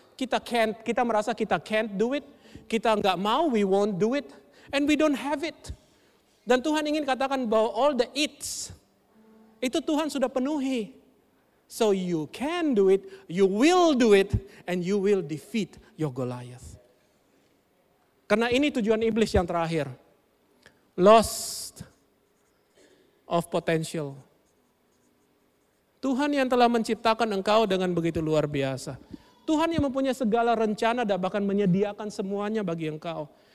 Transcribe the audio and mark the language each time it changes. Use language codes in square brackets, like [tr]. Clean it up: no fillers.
[id] Kita merasa kita [en] can't do it. [id] Kita gak mau, [en] we won't do it. And we don't have it. [id] Dan Tuhan ingin katakan bahwa [en] all the it's, [id] itu Tuhan sudah penuhi. [en] So you can do it, you will do it, and you will defeat your Goliath. [id] Karena ini tujuan iblis yang terakhir. [en] Lost of potential. [id] Tuhan yang telah menciptakan engkau dengan begitu luar biasa. Tuhan yang mempunyai segala rencana dan bahkan menyediakan semuanya bagi engkau.